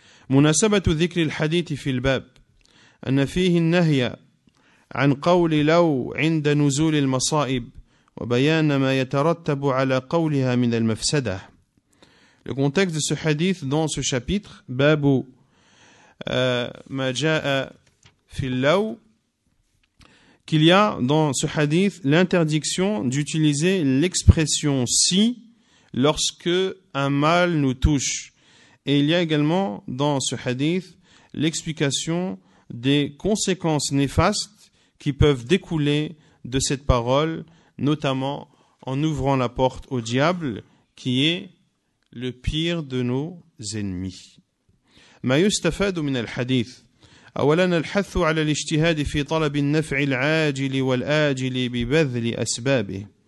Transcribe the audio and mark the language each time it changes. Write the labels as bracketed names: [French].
[Arabic] مناسبة ذكر الحديث في الباب أن فيه النهي عن قول لو عند نزول المصائب وبيان ما يترتب على قولها من المفسدة. [French] Le contexte de ce hadith dans ce chapitre, [Arabic] باب ما جاء في اللو, [French] qu'il y a dans ce hadith l'interdiction d'utiliser l'expression si lorsque un mal nous touche. Et il y a également dans ce hadith l'explication des conséquences néfastes qui peuvent découler de cette parole, notamment en ouvrant la porte au diable, qui est le pire de nos ennemis. [Arabic] ما يستفاد من الحديث أولا الحث على الاجتهاد في طلب النفع العاجل والآجل ببذل أسبابه.